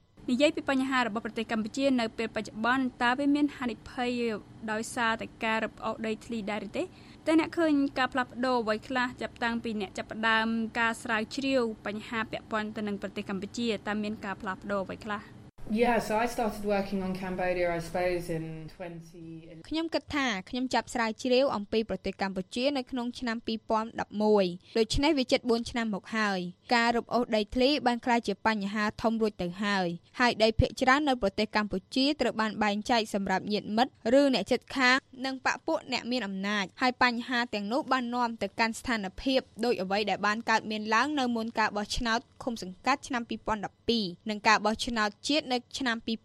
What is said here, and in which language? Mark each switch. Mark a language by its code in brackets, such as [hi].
[km] និយាយពីបញ្ហារបស់ប្រទេសកម្ពុជានៅពេលបច្ចុប្បន្នតើវាមានហានិភ័យដោយសារតែការរំអោដីធ្លីដែរឬទេតើអ្នកឃើញការផ្លាស់ប្ដូរអ្វីខ្លះចាប់តាំងពីអ្នកចាប់ផ្ដើមការស្រាវជ្រាវបញ្ហាពាក់ព័ន្ធទៅនឹងប្រទេសកម្ពុជាតើមានការផ្លាស់ប្ដូរអ្វីខ្លះ [en] Yeah so I started working on Cambodia I suppose in 2011 [km] ខ្ញុំគិតថាខ្ញុំចាប់ស្រាវជ្រាវអំពីប្រទេសកម្ពុជានៅក្នុងឆ្នាំ2011ដូច្នេះវាជិត4ឆ្នាំមកហើយការរំអោសដីធ្លីបានក្លាយជាបញ្ហាធំរួចទៅហើយហើយដីភាគច្រើននៅប្រទេសកម្ពុជាត្រូវបានបែងចែកសម្រាប់ញាតិមិត្តឬអ្នកជិតខាងនិងបព្វពួកអ្នកមានអំណាចហើយបញ្ហាទាំងនោះបាននាំទៅកាន់ស្ថានភាពដូចអ្វីដែលបានកើតមានឡើងនៅមុនការបោះឆ្នោតឃុំសង្កាត់ឆ្នាំ2012និងការបោះឆ្នោតជាតិនៅឆ្នាំ